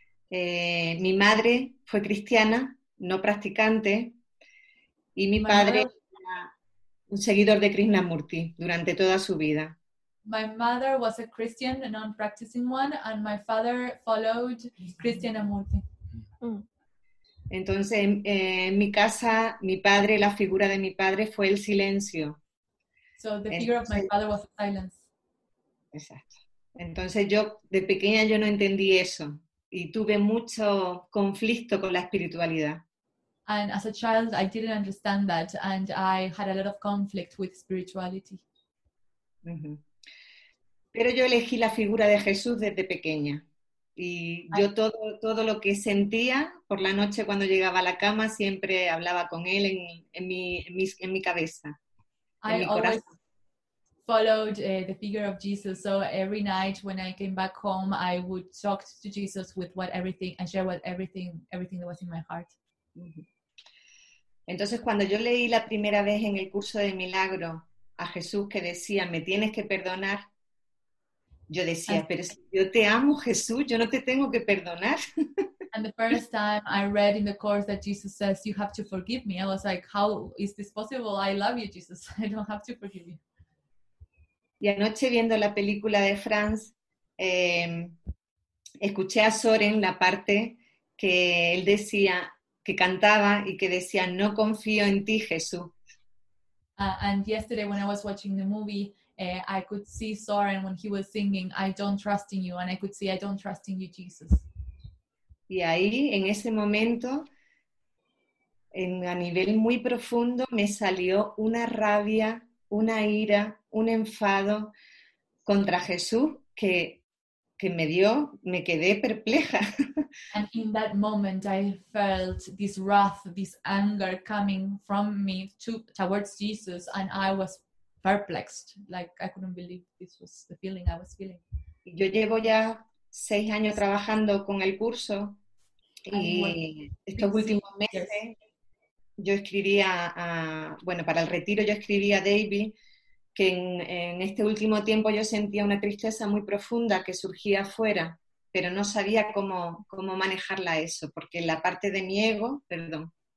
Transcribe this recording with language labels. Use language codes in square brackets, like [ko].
[es] Mi madre fue cristiana, no practicante, y mi padre era un seguidor de Krishnamurti durante toda su vida. [en] My mother was a Christian, a non-practicing one, and my father followed Krishnamurti. [es] Entonces, en mi casa, mi padre, la figura de mi padre fue el silencio. [en] So the figure of my father was silence. [es] Exacto. Entonces, yo de pequeña yo no entendí eso. Y tuve mucho conflicto con la espiritualidad. [en] And as a child, I didn't understand that, and I had a lot of conflict with spirituality. [es] Pero yo elegí la figura de Jesús desde pequeña. Y yo todo lo que sentía por la noche cuando llegaba a la cama, siempre hablaba con él en mi cabeza. [en] I always followed the figure of Jesus, so every night when I came back home, I would talk to Jesus with everything that was in my heart. [es] Entonces, cuando yo leí la primera vez en el curso de milagro a Jesús que decía, me tienes que perdonar, yo decía, pero si yo te amo, Jesús, yo no te tengo que perdonar. [en] And the first time I read in the course that Jesus says, you have to forgive me, I was like, how is this possible? I love you, Jesus. I don't have to forgive you. [es] Y anoche viendo la película de Franz, escuché a Soren la parte que él decía, que cantaba y que decía, no confío en ti, Jesús. [en] And yesterday when I was watching the movie, I could see Soren when he was singing, I don't trust in you, and I could see, I don't trust in you, Jesus. [es] Y ahí, en ese momento, a nivel muy profundo, me salió una rabia, una ira, un enfado contra Jesús que me dio, me quedé perpleja. [en] And in that moment, I felt this wrath, this anger coming from me towards Jesus, and I was perplexed, like I couldn't believe this was the feeling I was feeling. [es] Yo llevo ya 6 años trabajando con el curso y estos últimos meses yo escribía, para el retiro yo escribía a David que en este último tiempo yo sentía una tristeza muy profunda que surgía afuera, pero no sabía cómo manejarla eso, porque la parte de mi ego, perdón.